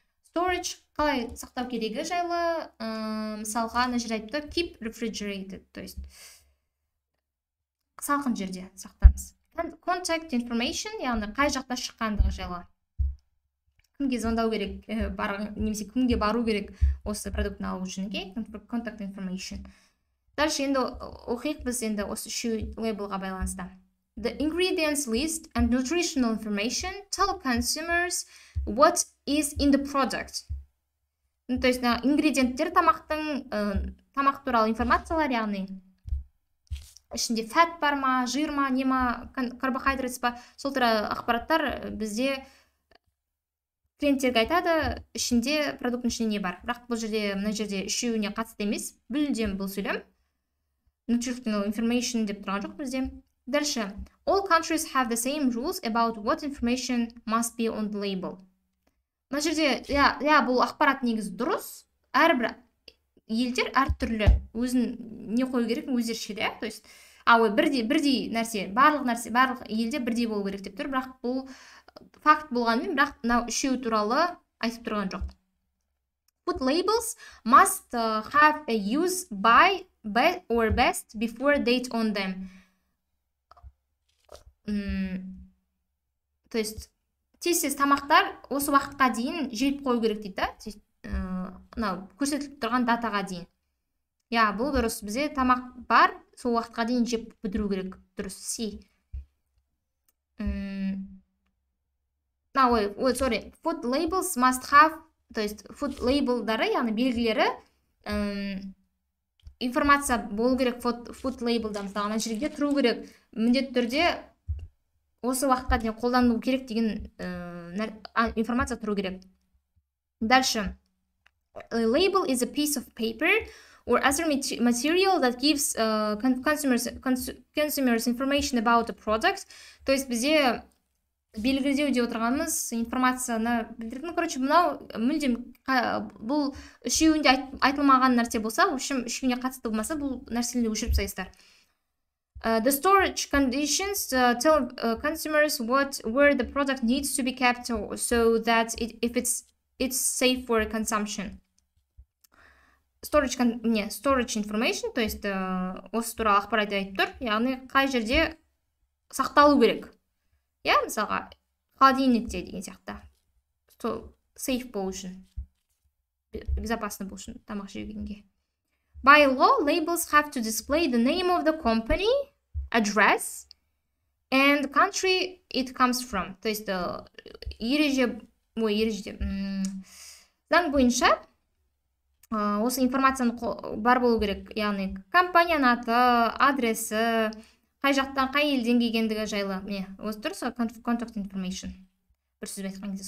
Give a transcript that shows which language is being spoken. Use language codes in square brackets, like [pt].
[kk] Storage, қалай сақтау керегі жайлы, мысалға ана жерде айтты, [en] keep refrigerated, [ru] то есть [kk] салқын жерде сақтаңыз. Contact information, яғни қай жақта шыққандығы жайлы. Кімге звондау керек, немесе кімге бару керек осы продуктын алу үшін, [en] contact information. [kk] Дальше енді оқиық біз енді осы үші лейблға байланысты. [en] The ingredients list and nutritional information tell consumers what is in the product. [ru] Ну, то есть, [kk] ингредиенттер тамақ туралы информациялар, яғни ішінде фат бар ма, жир ма, не ма, карбохидрат па, сол туралы ақпараттар бізде клиенттерге айтады, ішінде продуктың ішінде не бар. Бірақ бұл жерде, мына жерде үшеуіне қатысты емес, бүлдем бұл сөйлем. Nutritional information деп тұрған жоқ бізде. [ru] Дальше. [en] All countries have the same rules about what information must be on the label. [kk] Мына жерде, бұл ақпарат негіз дұрыс. Әрбір елдер әртүрлі өзін не қою керек, өздерше де. [ru] То есть, [kk] бірдей нәрсе, барлық елде бірдей болу керек деп тұр. Бірақ бұл факт болғанымен, бірақ мынау үшеу туралы айтып тұрған жоқ. [en] Food labels must have a use by or best before date on them. [ru] То есть, [kk] тез-тез тамақтар осы уақытқа дейін желіп қой керек дейді, да? Мынау көрсетіліп тұрған датаға дейін. Я, бұл дұрыс, бізде тамақ бар, сол уақытқа дейін жеп бүдіру керек. Дұрыс, си. [en] Sorry. Food labels must have, [ru] то есть [kk] food label-дары, яғни белгілері, информация болу керек food label-да, мысалы, жерге тұру керек. Міндетті түрде осы уақытқа дейін қолданылу керек деген информация тұру керек. [ru] Дальше. [en] A label is a piece of paper or other material that gives consumers information about a product. [ru] То есть [kk] бізде белгілеу деп отырғанымыз информацияны білдіретін, [ru] короче, [kk] мынау мүлдем бұл үшеуінде айтылмаған нәрсе болса, [ru] в общем, [kk] үшеуіне қатысты болмаса, бұл нәрселерді өшіріп тастайсыздар. [en] The storage conditions tell consumers where the product needs to be kept so that it's safe for consumption. Storage information, [ru] то есть [kk] осы туралы ақпарат айтып тұр, яғни қай жерде сақталу керек. Я, мысалға, холодильникте деген сияқты. Сол сейф болу үшін, безопасны болу үшін тамақ жегенге. [en] By law, labels have to display the name of the company, address and country it comes from. [ru] То есть [kk] заң бойынша осы информацияны бар болу керек, яғни компанияның аты, адресі, қай жақтан, қай елден келгендігі жайлы. Міне, осы дұрыс, [en] contact information. [kk] Бір сөзбен айтқан кезде.